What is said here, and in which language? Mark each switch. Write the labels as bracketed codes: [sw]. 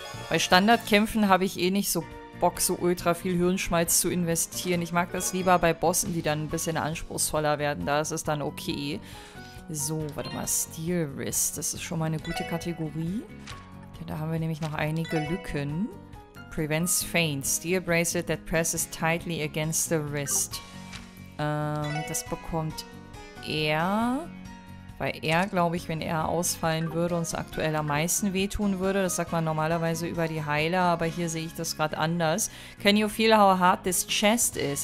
[de] Bei Standardkämpfen habe ich eh nicht so Bock, so ultra viel Hirnschmalz zu investieren. Ich mag das lieber bei Bossen, die dann ein bisschen anspruchsvoller werden. Da ist es dann okay. So, warte mal. Steel Wrist. Das ist schon mal eine gute Kategorie. Ja, da haben wir nämlich noch einige Lücken. [en] Prevents Feint. Steel Bracelet that presses tightly against the wrist. [de] Das bekommt er. Weil er, glaube ich, wenn er ausfallen würde, uns aktuell am meisten wehtun würde. Das sagt man normalerweise über die Heiler, aber hier sehe ich das gerade anders. [en] Can you feel how hard this chest is?